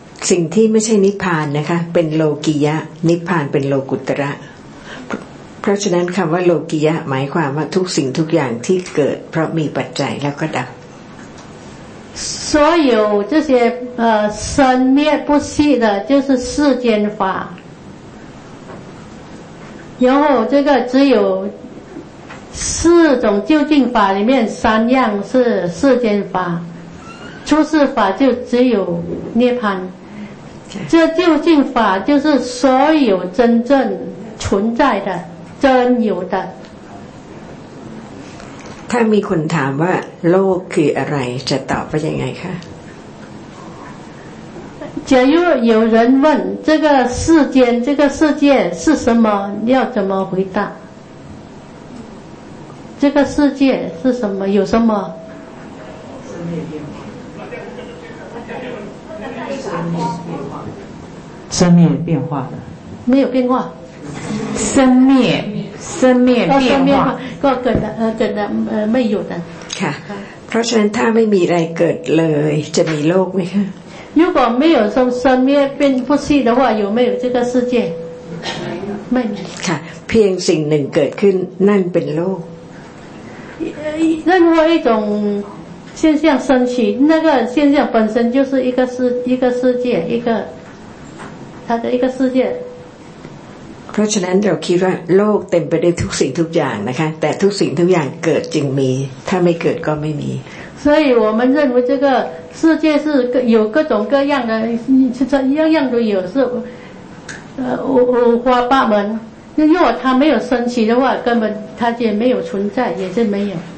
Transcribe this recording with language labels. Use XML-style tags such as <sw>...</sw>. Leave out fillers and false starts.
<th>สิ่งที่ไม่ใช่นิพพานนะคะเป็นโลกิยะนิพพานเป็นโลกุตระเพราะฉะนั้นคำว่าโลกิยะหมายความว่าทุกสิ่งทุกอย่างที่เกิดเพราะมีปัจจัยแล้วก็ดับ</th> <zh>所有这些生灭不息的就是世间法然后这个只有四种究竟法里面三样是世间法出世法就只有涅槃这究竟法就是所有真正存在的真有的</zh> <th>ถ้ามีคนถามว่าโลกคืออะไรจะตอบว่ายังไงคะ</th> <zh>假如有人问这个世间这个世界是什么要怎么回答这个世界是什么有什么生灭变化的没有变化生灭生灭变化</zh> <th>ก็เกิดไม่หยุด ค่ะเพราะฉะนั้นถ้าไม่มีอะไรเกิดเลยจะมีโลกไหมคะ</th> <zh>如果没有生生灭变不息的话有没有这个世界ไม่</zh> <th>ค่ะเพียงสิ่งหนึ่งเกิดขึ้นนั่นเป็นโลก</th> <zh>任何一种现象升起那个现象本身就是一个世界一个它的一个世界</zh> <th>เพราะฉะนั้นเราคิดว่าโลกเต็มไปด้วยทุกสิ่งทุกอย่างนะคะแต่ทุกสิ่งทุกอย่างเกิดจึงมีถ้าไม่เกิดก็ไม่มี</th> <zh>所以我们认为这个世界是有各种各样的样样都有是五花八门如果它没有升起的话根本它也没有存在也是没有</zh>